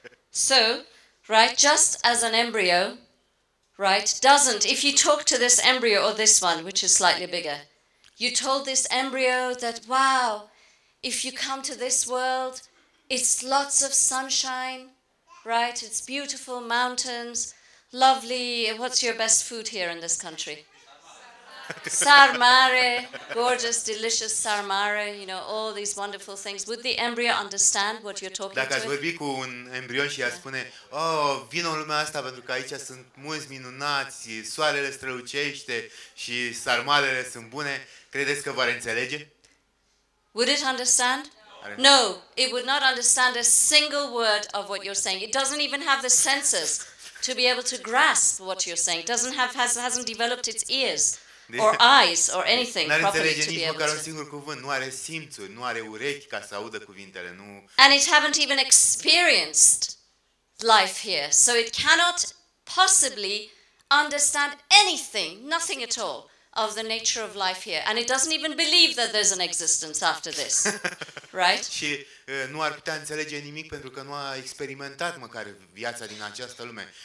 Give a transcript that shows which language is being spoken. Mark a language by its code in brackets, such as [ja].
[en] So, right, just as an embryo, right, doesn't, if you talk to this embryo or this one, which is slightly bigger, you told this embryo that, wow, if you come to this world, it's lots of sunshine, right, it's beautiful mountains, lovely, what's your best food here in this country? Sarmare, gorgeous, delicious sarmare, you know, all these wonderful things. Would the embryo understand what you're talking [ro] dacă [en] to? [ro] Dacă ați vorbi cu un embrion și i-ați spune, oh, vino în lumea asta pentru că aici sunt munți minunați, soarele strălucește și sarmalele sunt bune, credeți că v-ar înțelege? [en] Would it understand? No, it would not understand a single word of what you're saying. It doesn't even have the senses to be able to grasp what you're saying. It doesn't have, hasn't developed its ears. Or eyes or anything properly to be able to. [ro] N-are înțelege nici măcar un singur cuvânt, nu are simțuri, nu are urechi ca să audă cuvintele, nu. [en] And it haven't even experienced life here, so it cannot possibly understand anything, nothing at all, of the nature of life here. And it doesn't even believe that there's an existence after this, right? [ro] Și nu ar putea înțelege nimic pentru că nu a experimentat măcar viața din această lume.